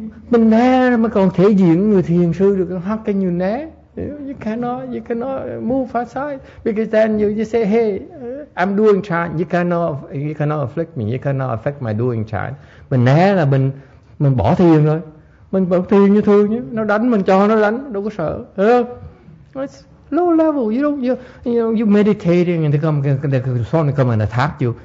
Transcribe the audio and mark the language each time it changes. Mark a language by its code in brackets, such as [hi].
[vi] Mình né mà còn thể diện người thiền sư được. [en] How can you né? You cannot move aside. Because then you say, hey, I'm doing chant. You cannot afflict me. You cannot affect my doing chant. [vi] Mình né là mình bỏ thiền rồi. Mình bỏ thiền như thường nhé. Nó đánh, mình cho nó đánh. Đâu có sợ. [en] It's low level. You meditating and they come and attack you.